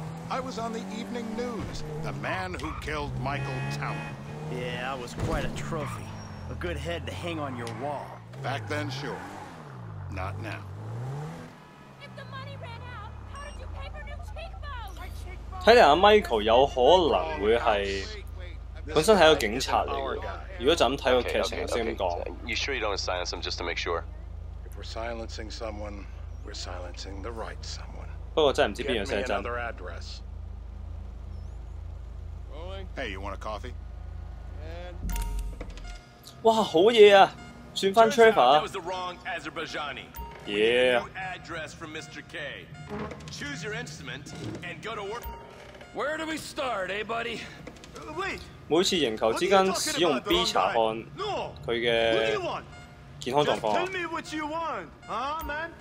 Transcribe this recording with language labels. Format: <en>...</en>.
<en>I was on the evening news, the man who killed Michael Townley. Yeah, I was quite a trophy. A good head to hang on your wall. Back then, sure. Not now. If the money ran out, how did you pay for new cheekbones?</en> <yue>睇嚟阿 Michael 有可能会系本身系一个警察嚟嘅。如果就咁睇个剧情先咁讲。</yue> <en>You sure you don't silence him just to make sure? If we're silencing someone, we're silencing the right someone.</en> <yue>不過真係唔知邊樣先係真。</yue> <en>Hey, you want a coffee?</en> <yue>哇，好嘢啊！轉翻 Trevor 啊。</yue> <en>That was the wrong Azerbaijani. Yeah. New address from Mr. K. Choose your instrument and go to work. Where do we start, eh, buddy? Wait.</en> <yue>每次贏球之間使用 B 查看佢嘅健康狀況。</yue> <en>Just tell me what you want, huh, man?</en>